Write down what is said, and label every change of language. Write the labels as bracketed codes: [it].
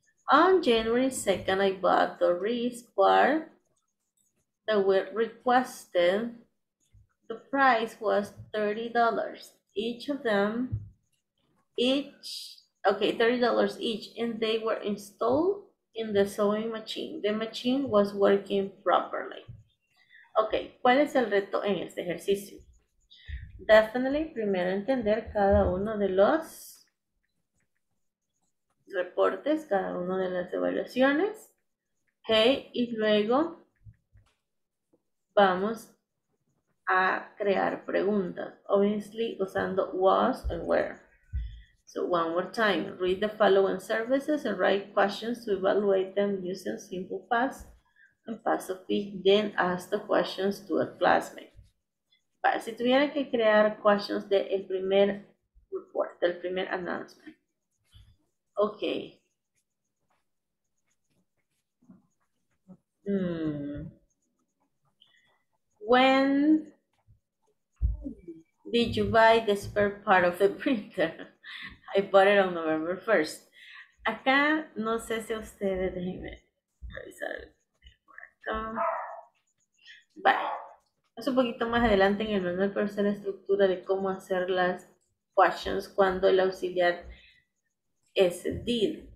[en] On January 2nd, I bought the wrist part that we requested. The price was $30. Each Okay, $30 each, and they were installed in the sewing machine. The machine was working properly. [es] Okay, ¿cuál es el reto en este ejercicio? Definitely, primero entender cada uno de los reportes, cada uno de las evaluaciones. Okay, y luego vamos a crear preguntas, obviously usando [en] was and where. So one more time, read the following services and write questions to evaluate them using simple past and past of it, then ask the questions to a classmate. [es] Si tuvieran que crear questions de el primer report, del primer announcement. Okay. [en] When did you buy the spare part of the printer? I bought it on November 1st. [es] Acá, no sé si ustedes, déjenme revisar por acá. Vale. Es un poquito más adelante en el manual, pero es la estructura de cómo hacer las questions cuando el auxiliar es did.